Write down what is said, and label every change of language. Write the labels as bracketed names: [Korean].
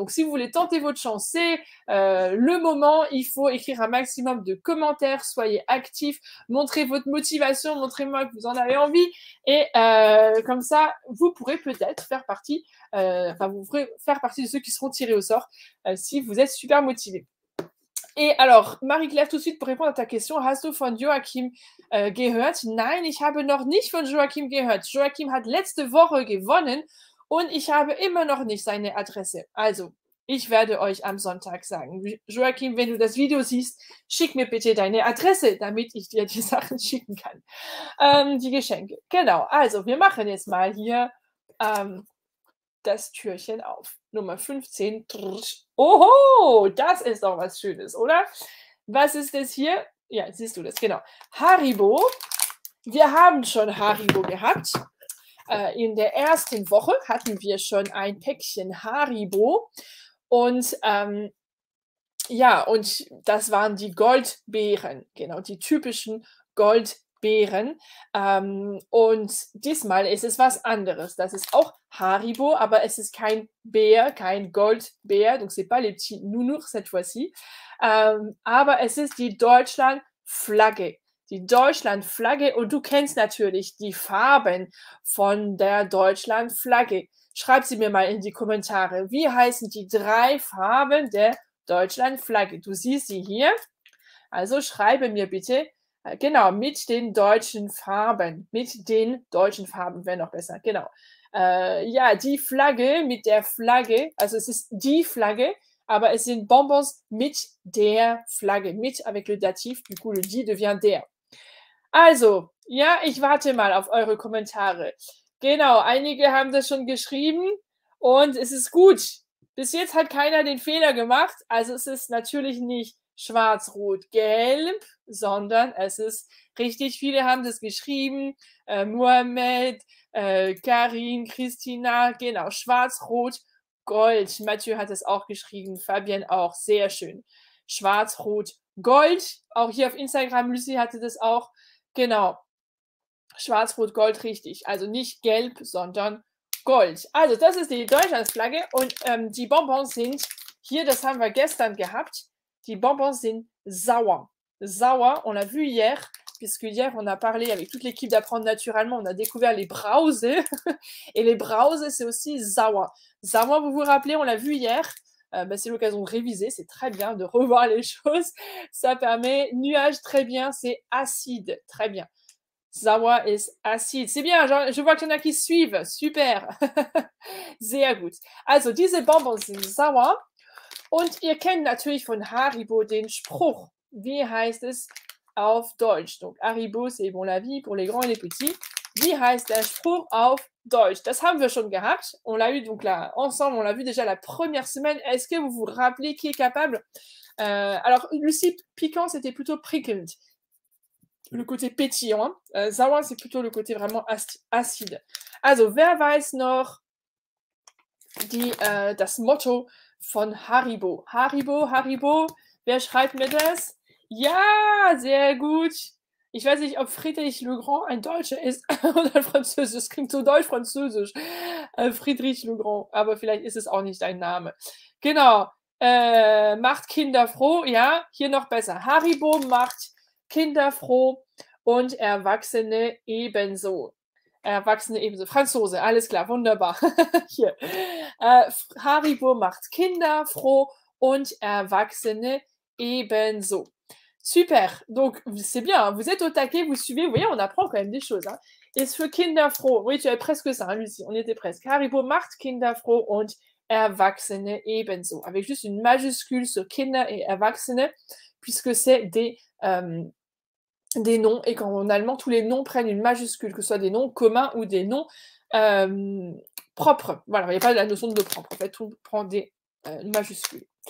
[French] Donc si vous voulez tenter votre chance, c'est le moment, il faut écrire un maximum de commentaires, soyez actifs, montrez votre motivation, montrez-moi que vous en avez envie, et comme ça, vous pourrez peut-être faire partie, vous pourrez faire partie de ceux qui seront tirés au sort, si vous êtes super motivés. Et alors, Marie-Claire, tout de suite, pour répondre à ta question, [German] hast du von Joachim gehört? Nein, ich habe noch nicht von Joachim gehört. Joachim hat letzte Woche gewonnen und ich habe immer noch nicht seine Adresse. Also, ich werde euch am Sonntag sagen. Joachim, wenn du das Video siehst, schick mir bitte deine Adresse, damit ich dir die Sachen schicken kann. Die Geschenke. Genau, also, wir machen jetzt mal hier das Türchen auf. Nummer 15. Oho, das ist doch was Schönes, oder? Was ist das hier? Ja, siehst du das, genau. Haribo. Wir haben schon Haribo gehabt. In der ersten Woche hatten wir schon ein Päckchen Haribo und ja, und das waren die Goldbeeren, genau, die typischen Goldbeeren. Und diesmal ist es was anderes. Das ist auch Haribo, aber es ist kein Bär, kein Goldbär. [French] Donc, c'est pas les petits nounours cette fois-ci. [German] Aber es ist die Deutschlandflagge. Die Deutschlandflagge. Und du kennst natürlich die Farben von der Deutschlandflagge. Schreib sie mir mal in die Kommentare. Wie heißen die drei Farben der Deutschlandflagge? Du siehst sie hier. Also schreibe mir bitte, genau, mit den deutschen Farben. Mit den deutschen Farben wäre noch besser. Genau. Ja, die Flagge mit der Flagge. Also es ist die Flagge. Aber es sind Bonbons mit der Flagge. [French] Mit, avec le Dativ, du coup, le die devient der. [German] Also, ja, ich warte mal auf eure Kommentare. Genau, einige haben das schon geschrieben und es ist gut. Bis jetzt hat keiner den Fehler gemacht. Also es ist natürlich nicht schwarz, rot, gelb, sondern es ist richtig. Viele haben das geschrieben. Mohamed, Karin, Christina, genau, schwarz, rot, Gold. Mathieu hat es auch geschrieben, Fabienne auch, sehr schön. Schwarz, Rot, Gold. Auch hier auf Instagram, Lucy hatte das auch. Genau. Schwarz, Rot, Gold, richtig. Also nicht gelb, sondern Gold. Also das ist die Deutschlandflagge und die Bonbons sind, hier, das haben wir gestern gehabt, die Bonbons sind sauer. [French] Sauer, on l'a vu hier. Puisque hier, on a parlé avec toute l'équipe d'apprendre naturellement, on a découvert les brause. Et les brause, c'est aussi sauer. Sauer, vous vous rappelez, on l'a vu hier. Ben, c'est l'occasion de réviser, c'est très bien de revoir les choses. Ça permet, nuage, très bien, c'est acide, très bien. Sauer est acide. C'est bien, je vois qu'il y en a qui suivent, super. [German] Sehr gut. Also, diese Bonbons sind sauer. Und ihr kennt natürlich von Haribo den Spruch. Wie heißt es? Auf Deutsch. [French] Donc, Haribo, c'est bon la vie pour les grands et les petits. [German] Wie heißt der Spruch auf Deutsch? Das haben wir schon gehabt. [French] On l'a eu donc là, ensemble, on l'a vu déjà la première semaine. Est-ce que vous vous rappelez qui est capable? Alors, Lucie, piquant, c'était plutôt prickled. Le côté pétillant. Sauer, c'est plutôt le côté vraiment acide. [German] Also, wer weiß noch das Motto von Haribo? Haribo, Haribo, wer schreibt mir das? Ja, sehr gut. Ich weiß nicht, ob Friedrich Le Grand ein Deutscher ist oder Französisch. Das klingt so deutsch-französisch. Friedrich Le Grand. Aber vielleicht ist es auch nicht dein Name. Genau. Macht Kinder froh. Ja, hier noch besser. Haribo macht Kinder froh und Erwachsene ebenso. Erwachsene ebenso. Franzose, alles klar, wunderbar. Hier. Haribo macht Kinder froh und Erwachsene ebenso. [French] Super, donc c'est bien, hein? Vous êtes au taquet, vous suivez, vous voyez, on apprend quand même des choses. Hein? [German] Es für Kinder froh, [French] oui, tu avais presque ça, hein, Lucie, on était presque. [German] Haribo macht Kinder froh und Erwachsene ebenso. [French] Avec juste une majuscule sur Kinder et Erwachsene, puisque c'est des noms, et qu'en allemand, tous les noms prennent une majuscule, que ce soit des noms communs ou des noms propres. Voilà, il n'y a pas la notion de propre, en fait, tout prend des majuscules.